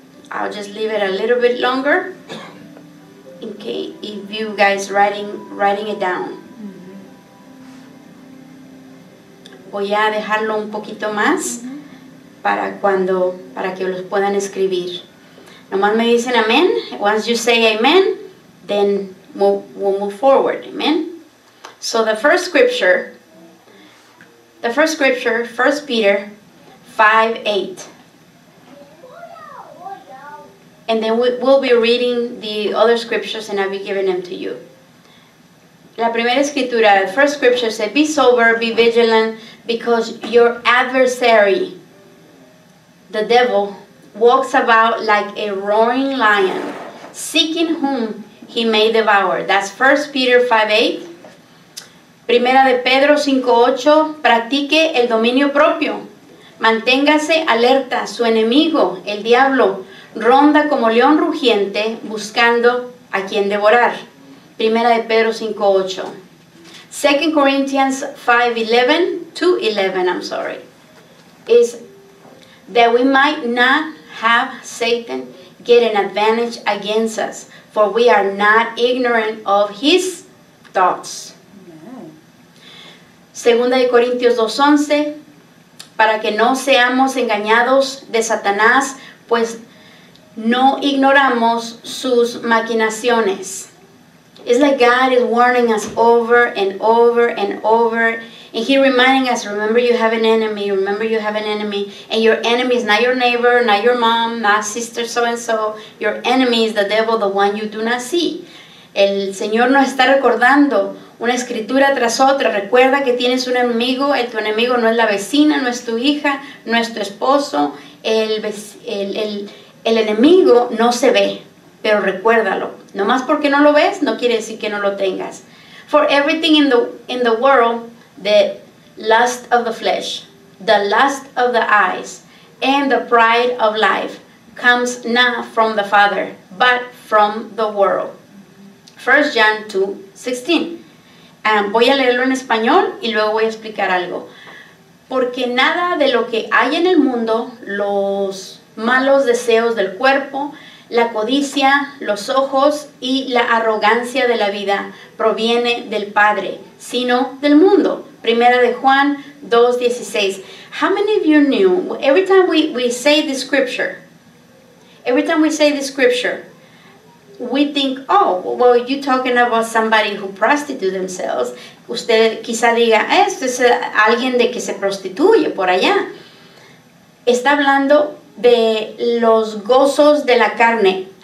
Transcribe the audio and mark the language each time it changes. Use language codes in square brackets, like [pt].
[en] I'll just leave it a little bit longer. Okay, if you guys writing it down. [es] Voy a dejarlo un poquito más para que los puedan escribir. Nomás me dicen amen. [en] Once you say amen, then we'll move forward. Amen. So, The first scripture, 1 Peter 5, 8. And then we'll be reading the other scriptures and I'll be giving them to you. [es] La primera escritura, [en] the first scripture said, be sober, be vigilant, because your adversary, the devil, walks about like a roaring lion, seeking whom he may devour. That's 1 Peter 5:8. [es] Primera de Pedro 5:8, practique el dominio propio. Manténgase alerta, su enemigo, el diablo, ronda como león rugiente buscando a quien devorar. Primera de Pedro 5:8. [en] 2 Corinthians 5:11, 2:11, I'm sorry, is that we might not have Satan get an advantage against us, for we are not ignorant of his thoughts. [es] Segunda de Corintios 2:11, para que no seamos engañados de Satanás, pues no ignoramos sus maquinaciones. [en] It's like God is warning us over and over and over, and he's reminding us, remember you have an enemy, remember you have an enemy, and your enemy is not your neighbor, not your mom, not sister so-and-so. Your enemy is the devil, the one you do not see. [es] El Señor nos está recordando una escritura tras otra. Recuerda que tienes un enemigo. Tu enemigo no es la vecina, no es tu hija, no es tu esposo. El enemigo no se ve, pero recuérdalo. No más porque no lo ves, no quiere decir que no lo tengas. [en] For everything in the world, the lust of the flesh, the lust of the eyes, and the pride of life comes not from the Father, but from the world. 1 John 2:16. [es] Voy a leerlo en español y luego voy a explicar algo. Porque nada de lo que hay en el mundo, los malos deseos del cuerpo, la codicia, los ojos y la arrogancia de la vida proviene del Padre, sino del mundo. Primera de Juan 2:16. [en] How many of you knew, every time we say this scripture, every time we say this scripture, we think, oh, well, you're talking about somebody who prostitutes themselves. [es] Usted quizá diga, esto es alguien de que se prostituye por allá. Está hablando de los gozos de la carne.